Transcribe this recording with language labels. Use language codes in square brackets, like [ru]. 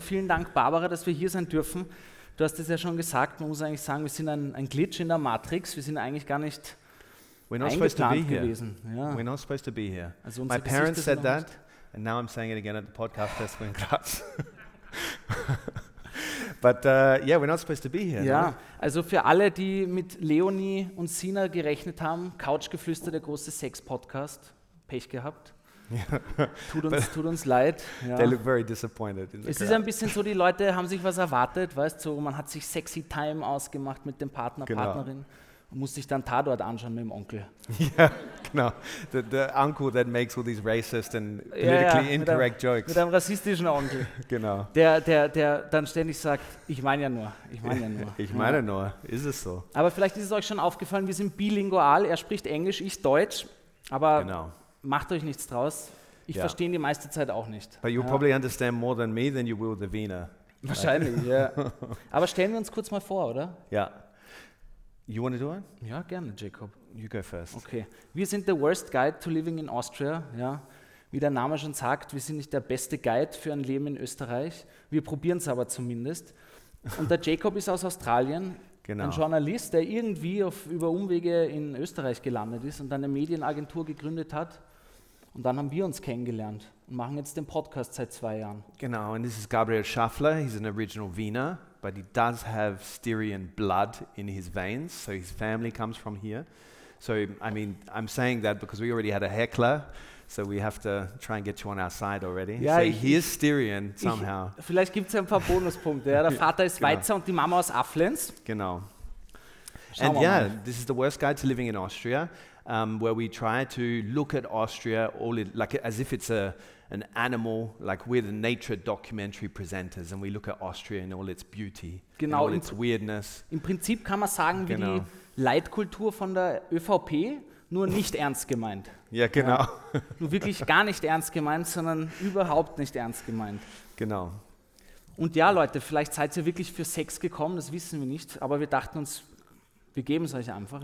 [de] Vielen Dank, Barbara, dass wir hier sein dürfen. Du hast es ja schon gesagt, man muss eigentlich sagen, wir sind ein Glitch in der Matrix. Wir sind eigentlich gar nicht eingeplant gewesen. [en] Ja. We're not supposed to be here. [de] Also [en] my parents said that, and now I'm saying it again at the podcast festival in Graz. But yeah, we're not supposed to be here. [de] Ja, also für alle, die mit Leonie und Sina gerechnet haben, Couchgeflüster, der große Sex-Podcast, Pech gehabt. [en] Yeah. [de] Tut uns leid. Ja. [en] They look very disappointed. In the [de] es ist ein bisschen so, die Leute haben sich was erwartet, weißt du, so, man hat sich [en] sexy time [de] ausgemacht mit dem Partner, genau. Partnerin und muss sich dann Tatort anschauen mit dem Onkel. Ja, yeah, genau. [en] The uncle that makes all these racist and politically incorrect jokes. [de] Mit einem rassistischen Onkel. Genau. Der dann ständig sagt, ich meine ja nur. Ich meine nur, ist es so. Aber vielleicht ist es euch schon aufgefallen, wir sind bilingual, er spricht Englisch, ich Deutsch, aber... Genau. Macht euch nichts draus. Ich verstehe ihn die meiste Zeit auch nicht. [en] But you probably understand more than me than you will the Wiener. [de] Wahrscheinlich, ja. Aber stellen wir uns kurz mal vor, oder? [en] Ja. You want to do it? [de] Ja, gerne, Jacob. [en] You go first. Okay. [de] Wir sind [en] the worst guide to living in Austria. Ja. [de] Wie der Name schon sagt, wir sind nicht der beste Guide für ein Leben in Österreich. Wir probieren es aber zumindest. Und der Jacob ist aus Australien. Genau. Ein Journalist, der irgendwie über Umwege in Österreich gelandet ist und eine Medienagentur gegründet hat. Und dann haben wir uns kennengelernt und machen jetzt den Podcast seit 2 Jahren. Genau, [en] and this is Gabriel Schaffler. He's an original Wiener, but he does have Styrian blood in his veins, so his family comes from here. So, I mean, I'm saying that because we already had a heckler, so we have to try and get you on our side already. [de] Ja, [en] so he is Styrian somehow. [de] Vielleicht gibt es ein paar Bonuspunkte. Ja. Der Vater ist Weizer und die Mama aus Afflens. Genau. Schauen [en] and yeah, this is the worst guide to living in Austria, where we try to look at Austria all it, like as if it's a an animal, like we're the nature documentary presenters, and we look at Austria and all its beauty, [de] genau, [en] and all its weirdness. [de] Im Prinzip kann man sagen, genau, wie die Leitkultur von der ÖVP, nur nicht ernst gemeint. Ja, genau. Ja, nur wirklich gar nicht ernst gemeint, sondern überhaupt nicht ernst gemeint. Genau. Und ja, Leute, vielleicht seid ihr wirklich für Sex gekommen, das wissen wir nicht, aber wir dachten uns, wir geben es euch einfach.